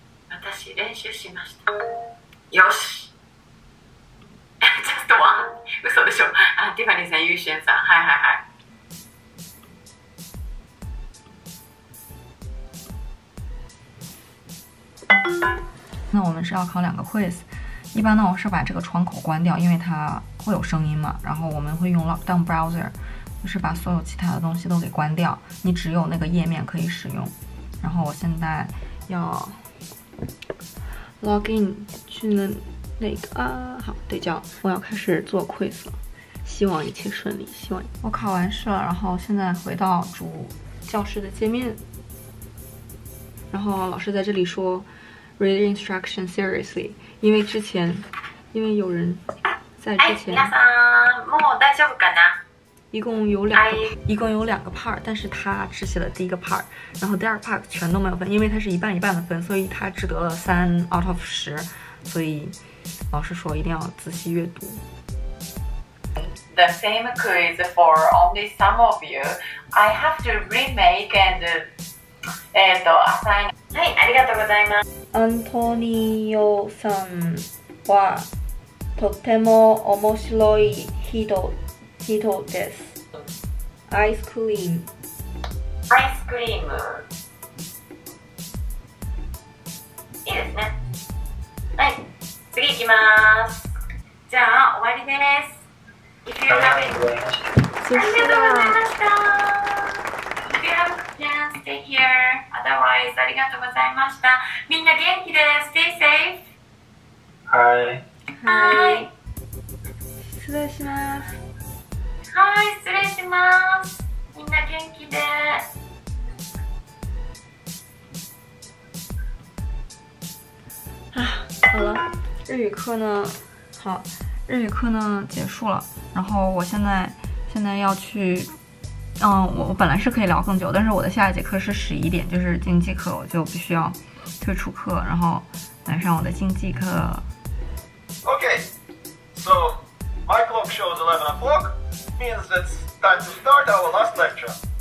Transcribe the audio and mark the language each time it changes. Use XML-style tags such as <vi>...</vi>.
<ja>私練習しました。よし。</ja> <en>Just one.</en> <ja>嘘でしょ。ティファニーさん、ユーシェンさん、はいはいはい。</ja> <zh>那我们是要考两个 quiz。一般呢，我是把这个窗口关掉，因为它会有声音嘛。然后我们会用 lockdown browser， 就是把所有其他的东西都给关掉，你只有那个页面可以使用。然后我现在要 login 去那个啊，好，对焦，我要开始做 quiz 了。希望一切顺利，希望我考完试了。然后现在回到主教室的界面，然后老师在这里说。</zh> <en>Read instruction seriously.</en> <zh>因为之前，因为有人在之前，</zh> <ja>皆さん、もう大丈夫かな？</ja> <zh>一共有两个 part， 但是他只写了第一个 part， 然后第二 part 全都没有分，因为他是一半一半的分，所以他只得了</zh> <en>3 out of 10。</en> <zh>所以老师说一定要仔细阅读。</zh> <en>The same quiz for only some of you. I have to remake and assign.</en> <ja>はい、ありがとうございます。アントニオさんはとても面白い人です。アイスクリーム。アイスクリーム。いいですね。はい、次行きます。じゃあ、終わりです。</ja> <en>If you have a chance,</en> <ja>ありがとうございました。</ja> <en>If you have a chance, stay here.</en> <ja>Otherwise, ありがとうございました。みんな元気です。</ja> <en>Stay safe.</en> <ja>はい。はい。失礼します。はい、失礼します。みんな元気で。</ja> <zh>日语课呢，好，日语课呢结束了，然后我现在要去，我本来是可以聊更久，但是我的下一节课是11点，就是经济课，我就必须要退出课，然后来上我的经济课。</zh> <en>Okay, so my clock shows 11 o'clock, means it's time to start our last lecture.</en>